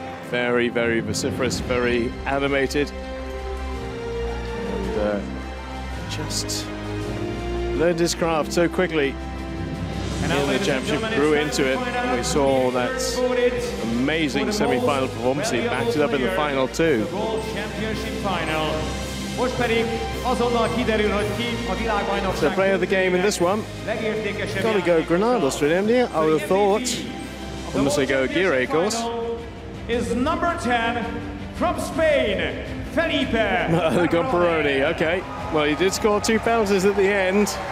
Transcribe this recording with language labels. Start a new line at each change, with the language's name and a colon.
English: Very, very vociferous, very animated. And just learned his craft so quickly in the championship, grew into it. We saw that amazing semi-final performance. He backed it up in the final too. The World Championship final.
Hungarian: Most pedig azonnal kiderül, hogy ki a világbajnokság.
English: The player of the game in this one. Got to go Granados for him, yeah. I would have thought. I must say go Aguirre, of course. Is number 10 from Spain, Felipe. The Gomperoni, okay. Well, he did score two penalties at the end.